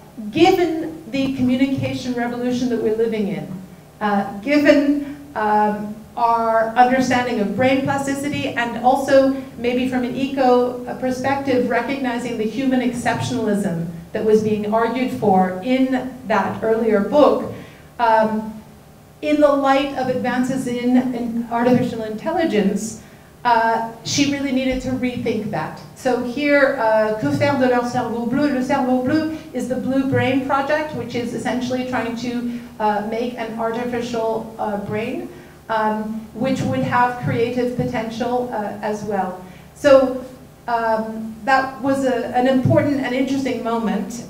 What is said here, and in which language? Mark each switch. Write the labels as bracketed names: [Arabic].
[English] given the communication revolution that we're living in, given our understanding of brain plasticity, and also maybe from an eco perspective, recognizing the human exceptionalism that was being argued for in that earlier book, in the light of advances in artificial intelligence, she really needed to rethink that. So here, [French] que faire de leur cerveau bleu? [English] Le cerveau bleu is the Blue Brain Project, which is essentially trying to make an artificial brain, which would have creative potential as well. So that was an important and interesting moment.